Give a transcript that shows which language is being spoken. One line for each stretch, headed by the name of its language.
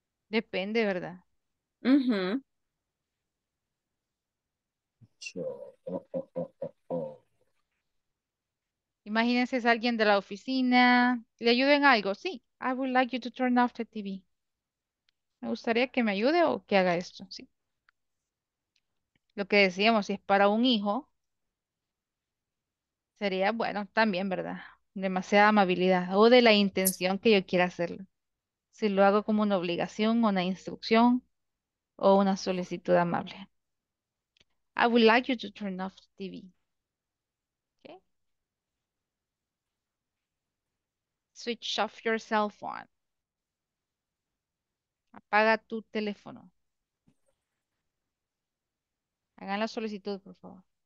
Spanish: Depende, ¿verdad? Mm-hmm. Imagínense, es alguien de la oficina. ¿Le ayudo en algo? Sí.
English: I would like you to turn off the TV.
Spanish: Me gustaría que me ayude o que haga esto. Sí. Lo que decíamos, si es para un hijo, sería bueno también, ¿verdad? Demasiada amabilidad o de la intención que yo quiera hacerlo. Si lo hago como una obligación, una instrucción o una solicitud amable.
English: I would like you to turn off the TV. Switch off your cell phone.
Spanish: Apaga tu teléfono. Hagan la solicitud, por favor.